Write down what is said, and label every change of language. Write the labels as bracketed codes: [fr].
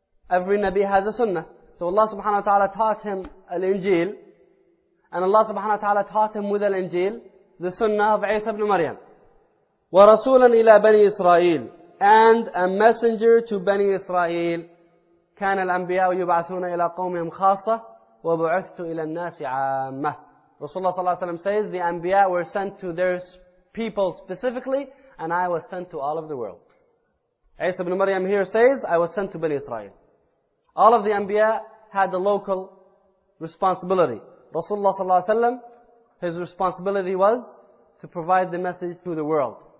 [en] Every Nabi has a sunnah. So Allah subhanahu wa ta'ala taught him al-Injil. And Allah subhanahu wa ta'ala taught him with al-Injil, the sunnah of Isa ibn Maryam. [ar] وَرَسُولًا إِلَىٰ بَنِي إِسْرَائِيلِ, [en] and a messenger to Bani Israel. [ar] كان الأنبياء يبعثون إلى قومهم خاصة وبعثت إلى الناس عامة. [en] Rasulullah sallallahu alayhi wa sallam says, the Anbiya were sent to their people specifically, and I was sent to all of the world. Isa ibn Maryam here says, I was sent to Bani Israel. All of the Anbiya had the local responsibility. Rasulullah sallallahu alayhi wa sallam, his responsibility was to provide the message to the world.